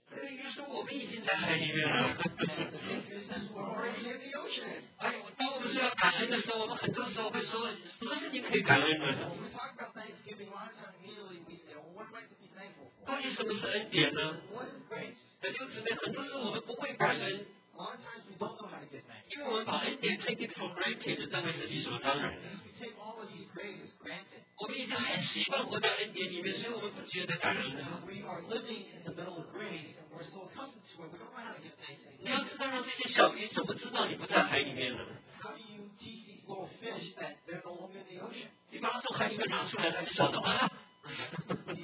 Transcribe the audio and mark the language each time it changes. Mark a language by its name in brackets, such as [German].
[Chinese] 那个鱼说：“我们已经在海里面了。” [English] The fish says, "We're already in the ocean." [Chinese] 当我们需要感恩的时候，我们很多时候会说：“什么事情可以感恩呢？” [English] When we talk about Thanksgiving, a lot of times immediately we say, "Well, what am I to be thankful for?" [Chinese] 到底什么是恩典呢 [English] ？What is grace? [Chinese] 弟兄姊妹，很多时候我们不会感恩。 [English] A lot of times we don't know how to give thanks. [Chinese] 因为我们把恩典 [English] take it for granted， [Chinese] 这当然是理所当然的。 [English] Because we take all of these graces granted. [Chinese] 我们已经很习惯活在恩典里面，所以我们不觉得感恩了。 [English] We are living in the middle of grace, and we're so accustomed to it, we don't know how to give thanks anymore. [Chinese] 你要知道，让这些小鱼怎么知道你不在海里面呢？ [English] How do you teach these little fish that they're no longer in the ocean? [Chinese] 你把它从海里面拿出来，它就晓得啊。